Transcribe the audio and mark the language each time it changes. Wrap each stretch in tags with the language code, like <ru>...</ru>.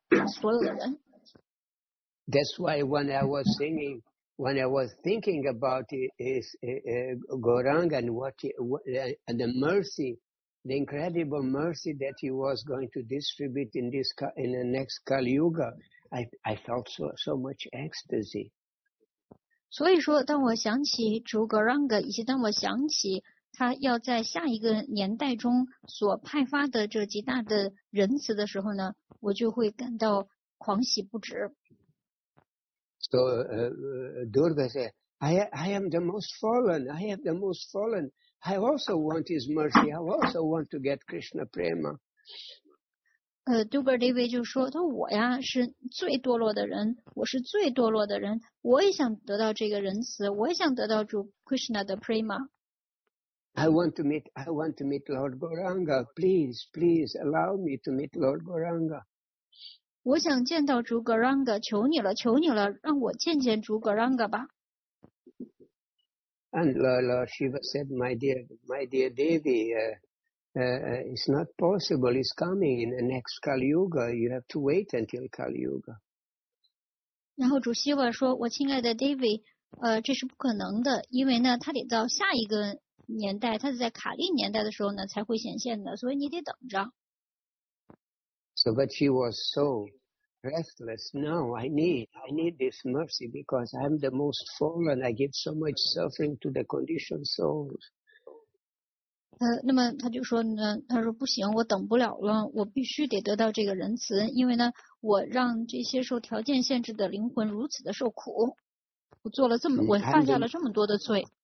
<en>That's why when I was thinking about his Gauranga and and the mercy, the incredible mercy that he was going to distribute in the next Kali Yuga, I felt so much ecstasy.</en> <zh>所以说，当我想起主 Gauranga， 以及当我想起他要在下一个年代中所派发的这极大的仁慈的时候呢，我就会感到狂喜不止。</zh> <en>So Durga said, I am the most fallen. I am the most fallen. I also want his mercy. I also want to get Krishna prema.</en> <zh>Durga Devi 就说，他我呀是最堕落的人，我是最堕落的人，我也想得到这个仁慈，我也想得到主 Krishna 的 prema。</zh> <en>I want to meet Lord Gauranga. Please allow me to meet Lord Gauranga.</en> <zh>我想见到主 Gauranga， 求你了，求你了，让我见见主 Gauranga 吧。</zh> <en>And Lord Shiva said, my dear Devi, it's not possible. It's coming in the next Kali Yuga. You have to wait until Kali Yuga.</en> <zh>然后主希瓦说，我亲爱的 Devi， 这是不可能的，因为呢，他得到下一个年代，他是在卡利年代的时候呢才会显现的，所以你得等着。</zh> <en>So, but she was so restless. No, I need this mercy because I'm the most fallen. I give so much suffering to the conditioned souls.</en> <zh>那么他就说呢，他说不行，我等不了了，我必须得得到这个仁慈，因为呢，我让这些受条件限制的灵魂如此的受苦，我做了这么，我犯下了这么多的罪。</zh>